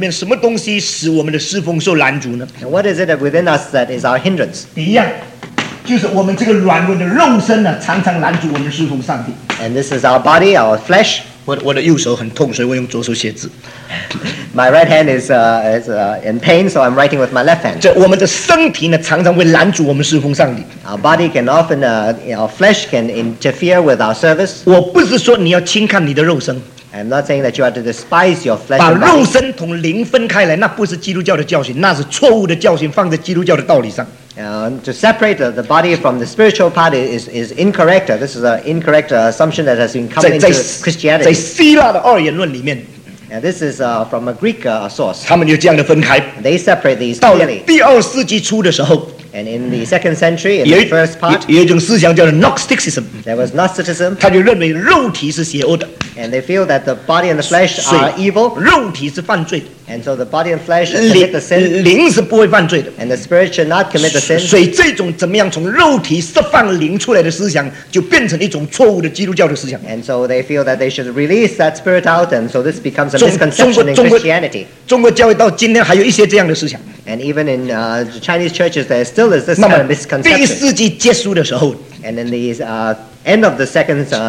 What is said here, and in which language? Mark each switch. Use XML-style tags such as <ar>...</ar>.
<zh>在我们个人里面什么东西使我们的侍奉受拦阻呢?</zh> <en>And what is it within us that is our hindrance?</en> <zh>第一样, 就是我们这个软弱的肉身呢, 常常拦阻我们侍奉上帝。</zh> <en>And this is our body, our flesh.</en> <zh>我的右手很痛, 所以我用左手写字。</zh> <en>My right hand is in pain, so I'm writing with my left hand.</en> <zh>这我们的身体呢, 常常会拦阻我们侍奉上帝。</zh> <en>Our body can often, our flesh can interfere with our service.</en> <zh>我不是说你要轻看你的肉身。</zh> <en>I'm not saying that you are to despise your flesh.</en> <zh>把肉身同灵分开来, 那不是基督教的教训, 那是错误的教训, 放在基督教的道理上。</zh> <en>To separate the body from the spiritual part is incorrect. This is an incorrect assumption that has been come into Christianity.</en> <zh>在希腊的二元论里面,</zh> <en>and this is from a Greek source.</en> <zh>他们有这样的分开,</zh> <en>they separate these clearly.</en> <zh>到了第二世纪初的时候,</zh> <en>and in the second century, in the first part,</en> <zh>有一种思想叫做 Gnosticism.</zh> <en>There was Gnosticism.</en> <zh>他就认为肉体是邪恶的,</zh> <en>and they feel that the body and the flesh are evil.</en> <zh>肉体是犯罪的,</zh> <en>and so the body and flesh commit the sin.</en> <zh>灵是不会犯罪的,</zh> <en>and the spirit should not commit the sin.</en> <zh>所以这种怎么样从肉体释放灵出来的思想就变成一种错误的基督教的思想。</zh> <en>And so they feel that they should release that spirit out, and so this becomes a misconception in Christianity.</en> <zh>中国教会到今天还有一些这样的思想。</zh> <en>And even in Chinese churches, there still is this kind of misconception.</en> <zh>第一世纪结束的时候,</zh> <en>and in the end of the second</en>